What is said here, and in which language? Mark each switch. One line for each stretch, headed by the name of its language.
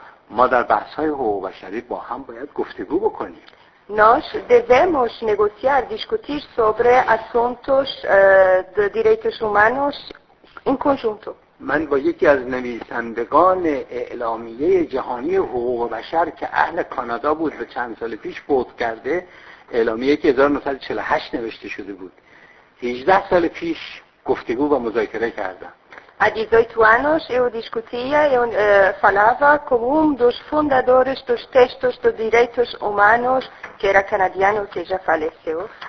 Persian: ما در بحث‌های حقوق بشری با هم باید گفتگو بکنیم.
Portuguese: Nós devemos negociar, discutir sobre assuntos de direitos humanos em conjunto.
Persian: من با یکی از نویسندگان اعلامیه جهانی حقوق بشر که اهل کانادا بود و چند سال پیش فوت کرده، اعلامیه که 1948 نوشته شده بود، 18 سال پیش گفتگو و مذاکره کردم.
Portuguese: Há 18 anos eu discutia, eu falava com um dos fundadores dos textos dos direitos humanos, que era canadiano, que já faleceu.